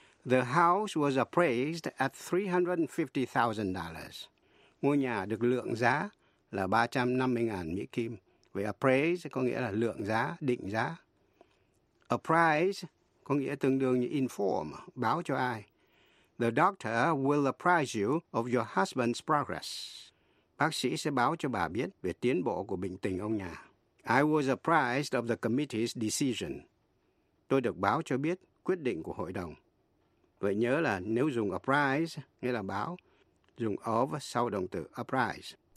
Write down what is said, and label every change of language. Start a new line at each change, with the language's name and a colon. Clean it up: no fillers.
English: The house was appraised at $350,000.
Vietnamese: Ngôi nhà được lượng giá là 350.000 Mỹ kim. Vậy appraise có nghĩa là lượng giá, định giá. Apprise có nghĩa tương đương như inform, báo cho ai.
English: The doctor will apprise you of your husband's progress.
Vietnamese: Bác sĩ sẽ báo cho bà biết về tiến bộ của bệnh tình ông nhà.
English: I was apprised of the committee's decision.
Vietnamese: Tôi được báo cho biết quyết định của hội đồng. Vậy nhớ là nếu dùng apprise, nghĩa là báo, dùng of sau động từ apprise.